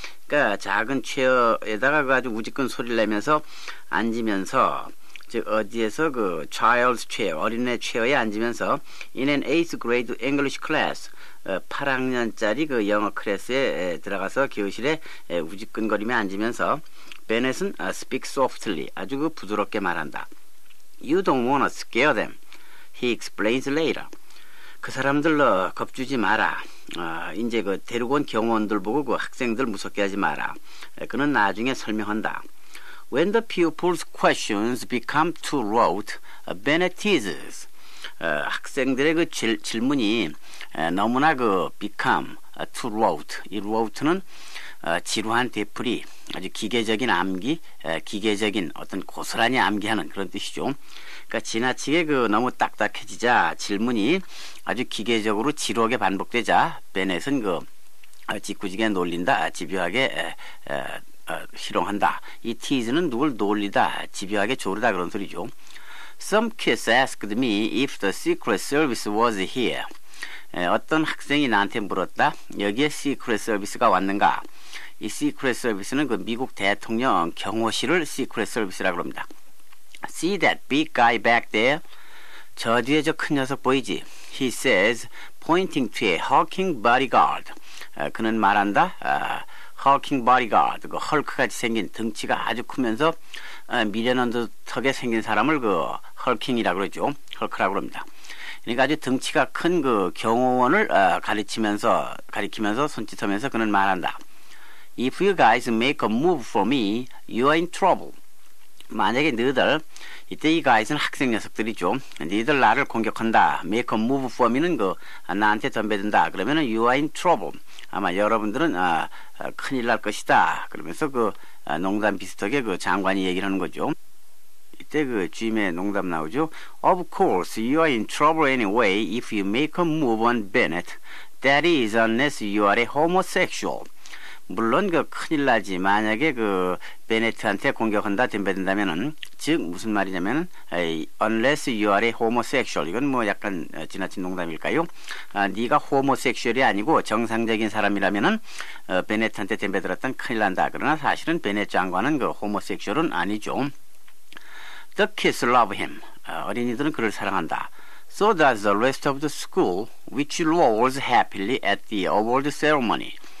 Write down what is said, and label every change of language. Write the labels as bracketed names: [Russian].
[Korean] 그러니까 작은 체어에다가 그 아주 우직근 소리를 내면서 앉으면서 즉 어디에서 그 [English] child's chair [Korean] 어린애 체어에 앉으면서 [English] in an 8th grade English class [Korean] 8학년짜리 그 영어 클래스에 들어가서 교실에 우직근거리며 앉으면서 Bennett은 [English] speak softly [Korean] 아주 그 부드럽게 말한다. [English] You don't wanna scare them. He explains later. [Korean] 그 사람들 너 겁주지 마라. 이제 그 데리고 온 경호원들 보고 그 학생들 무섭게 하지 마라. 그는 나중에 설명한다. [English] When the pupils' questions become too rote, Bennett teases. [Korean] 학생들의 그 질문이 너무나 그 [English] become too rote. [Korean] 이 rote는 지루한 되풀이, 아주 기계적인 암기, 기계적인 어떤 고스란히 암기하는 그런 뜻이죠. 그러니까 지나치게 그 너무 딱딱해지자 질문이 아주 기계적으로 지루하게 반복되자 베넷은 그 짓궂게 놀린다, 집요하게 희롱한다. 이 tease는 누굴 놀리다, 집요하게 조르다 그런 소리죠. [English] Some kids asked me if the Secret Service was here. [Korean] 어떤 학생이 나한테 물었다. 여기에 Secret Service가 왔는가? 이 Secret Service는 그 미국 대통령 경호실을 Secret Service라고 합니다. [English] See that big guy back there? [Korean] 저 뒤에 저 큰 녀석 보이지? [English] He says, pointing to a hulking bodyguard. [Korean] 그는 말한다. [English] Hulking bodyguard, [Korean] 그 헐크같이 생긴 등치가 아주 크면서 미련한 듯하게 생긴 사람을 그 헐킹이라고 그러죠. 헐크라고 합니다. 그러니까 아주 등치가 큰 그 경호원을 가리키면서 손짓하면서 그는 말한다. [English] If you guys make a move for me, you are in trouble. [Korean] 만약에 너희들, 이때 이 guys는 학생 녀석들이죠. 너희들 나를 공격한다. [English] Make a move for me [Korean] 는 그 나한테 덤벼든다. 그러면은 [English] you are in trouble. [Korean] 아마 여러분들은 큰일 날 것이다. 그러면서 그 농담 비슷하게 그 장관이 얘기를 하는 거죠. 이때 그 짐의 농담 나오죠. [English] Of course, you are in trouble anyway if you make a move on Bennett. That is unless you are a homosexual. [Korean] 물론 그 큰일 나지. 만약에 그 베네트한테 공격한다 덤벼든다면은 즉 무슨 말이냐면 [English] unless you are a homosexual. [Korean] 이건 뭐 약간 지나친 농담일까요? 네가 homosexual이 아니고 정상적인 사람이라면은 베네트한테 덤벼들었던 큰일 난다. 그러나 사실은 베네 장관은 그 homosexual은 아니죠. [English] The kids love him. [Korean] 어린이들은 그를 사랑한다. [English] So does the rest of the school, which rolls happily at the award ceremony.